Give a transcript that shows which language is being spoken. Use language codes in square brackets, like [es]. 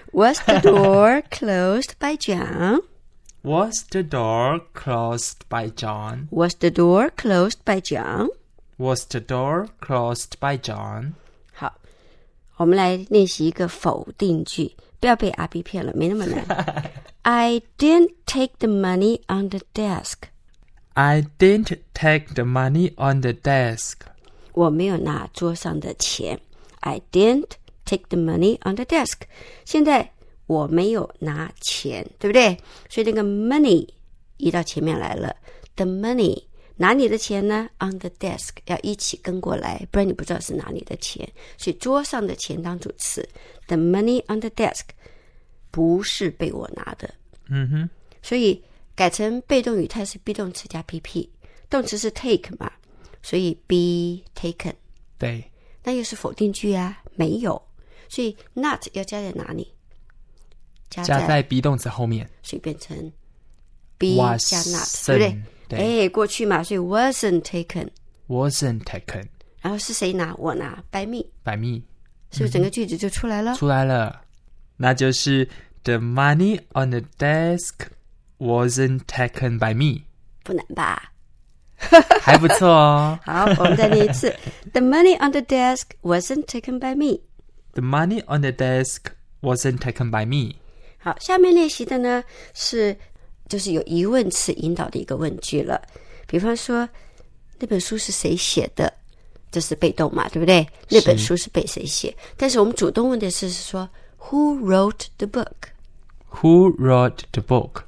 [en] Was the door closed by John? Was the door closed by John? Was the door closed by John? Was the door closed by John? [zh] 我们来练习一个否定句，不要被阿 B 骗了，没那么难。 [en] I didn't take the money on the desk. I didn't take the money on the desk. [zh] 我没有拿桌上的钱。 [en] I didn't take the money on the desk. [zh] 现在我没有拿钱，对不对？所以那个 money 移到前面来了。 [en] The money [zh] 拿你的钱呢 ？ [en] On the desk [zh] 要一起跟过来，不然你不知道是拿你的钱。所以桌上的钱当主词 ， [en] the money on the desk [zh] 不是被我拿的。所以改成被动语态是 be 动词加 PP， 动词是 take 嘛，所以 [en] be taken。 [zh] 对。那又是否定句啊，没有，所以 not 要加在哪里？加在 be 动词后面，所以变成 be 加 not， 对不对？哎，过去嘛，所以 [en] wasn't taken。 wasn't taken。 [zh] 然后是谁拿？我拿。 [en] By me。 By me。 [zh] 是不是整个句子就出来了？出来了。那就是 [en] the money on the desk wasn't taken by me。 [zh] 不难吧？还不错哦。好，我们再念一次。 [en] The money on the desk wasn't taken by me。 The money on the desk wasn't taken by me。 [zh] 好，下面练习的呢是。就是有疑问词引导的一个问句了，比方说那本书是谁写的，这是被动嘛，对不对？那本书是被谁写，但是我们主动问的是说 [en] Who wrote the book? Who wrote the book?